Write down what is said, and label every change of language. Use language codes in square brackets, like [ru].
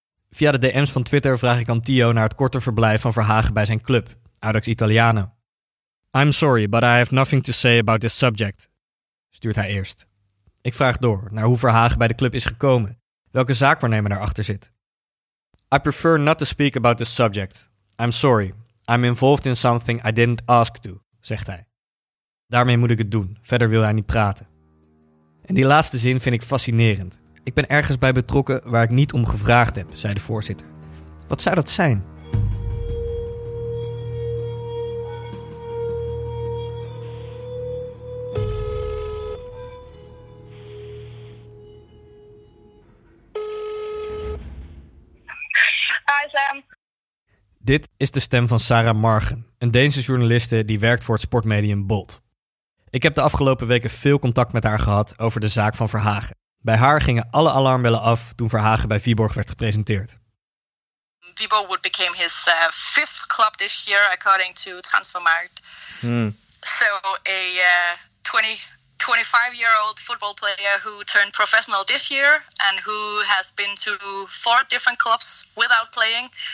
[nl] Via de DM's van Twitter vraag ik aan Tio naar het korte verblijf van Verhagen bij zijn club, Audax Italiano. [en] I'm sorry, but I have nothing to say about this subject, [nl] stuurt hij eerst. Ik vraag door naar hoe Verhagen bij de club is gekomen, welke zaakwaarnemer daarachter zit. [en] I prefer not to speak about this subject. I'm sorry, I'm involved in something I didn't ask to, [nl] zegt hij. Daarmee moet ik het doen, verder wil hij niet praten. En die laatste zin vind ik fascinerend. Ik ben ergens bij betrokken waar ik niet om gevraagd heb, zei de voorzitter. Wat zou dat zijn? [en] Hi Sam. [nl] Dit is de stem van Sarah Margen, een Deense journaliste die werkt voor het sportmedium Bolt. Ik heb de afgelopen weken veel contact met haar gehad over de zaak van Verhagen. Bij haar gingen alle alarmbellen af toen Verhagen bij Viborg werd gepresenteerd. [en] Viborg would became his fifth club this year according to Transfermarkt. Hmm. So a 20 25-year-old football player who turned professional this year and who has been to 4 different clubs without playing.